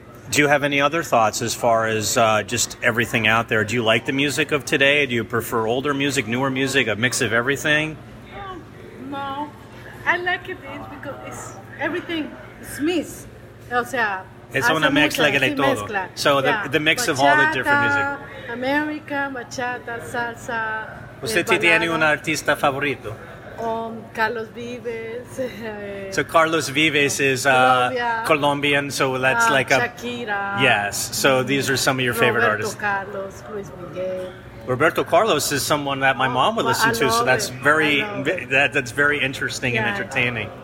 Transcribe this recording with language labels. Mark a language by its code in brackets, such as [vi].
[en] Do you have any other thoughts as far as just everything out there? Do you like the music of today? Do you prefer older music, newer music, a mix of everything? No. I like it because it's everything is mixed. [es] O sea, [en] it's [es] una mezcla de todo. Mezcla. [en] So yeah. the mix [es] bachata, [en] of all the different music. [es] America, bachata, salsa. ¿Usted tiene un artista favorito? Carlos Vives. [en] So Carlos Vives is Colombian, so that's like Shakira. A... Shakira. Yes, so these are some of your favorite Roberto artists. Roberto Carlos, Luis Miguel. Roberto Carlos is someone that my mom would listen to, so that's very that's very interesting and entertaining.